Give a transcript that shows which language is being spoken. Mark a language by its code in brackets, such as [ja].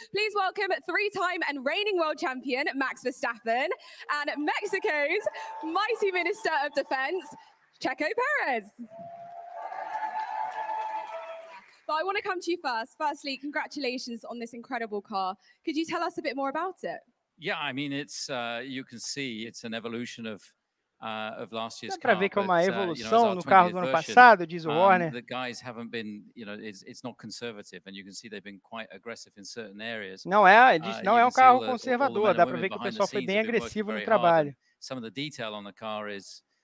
[en] Please welcome three-time and reigning world champion Max Verstappen and Mexico's mighty Minister of Defense, Checo Perez. But I want to come to you first. Firstly, congratulations on this incredible car. Could you tell us a bit more about it? Yeah, I mean, it's you can see it's an evolution of last year's car. [pt] Dá pra ver que é uma evolução no carro do ano passado, diz o Horner. [en] The guys haven't been, you know, it's not conservative, and you can see they've been quite aggressive in certain areas. [pt] Não é, não é um carro conservador. Dá pra ver que o pessoal foi bem agressivo no trabalho. [en] Some of the detail on the car is